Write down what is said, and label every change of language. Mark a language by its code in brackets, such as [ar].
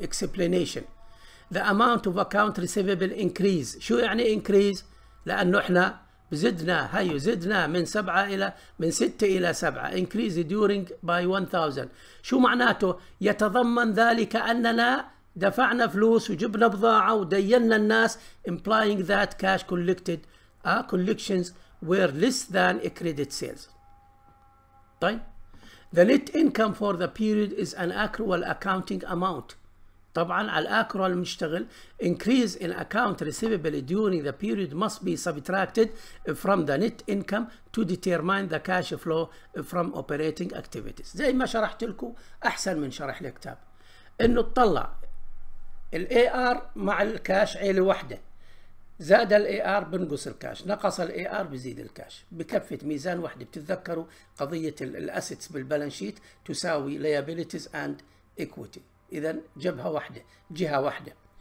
[en] Explanation: The amount of account receivable increase. [ar] شو يعني increase؟ لأنه إحنا زدنا، هاي زدنا من 7 إلى من 6 إلى 7. [en] Increase during by 1000. [ar] شو معناته؟ يتضمن ذلك أننا دفعنا فلوس وجبنا بضاعة ودينا الناس. [en] Implying that cash collected collections were less than a credit sales. [ar] طيب [en] the net income for the period is an accrual accounting amount. [ar] طبعا على الاكرول بنشتغل. [en] increase in account receivable during the period must be subtracted from the net income to determine the cash flow from operating activities. [ar] زي ما شرحت لكم احسن من شرح الكتاب، انه تطلع الاي ار مع الكاش عيله واحده، زاد الاي ار بنقص الكاش، نقص الاي ار بزيد الكاش، بكفه ميزان واحده. بتتذكروا قضيه الاسيتس بالبالانس شيت تساوي [en] liabilities and equity, [ar] اذا جبهه واحده، جهه واحده.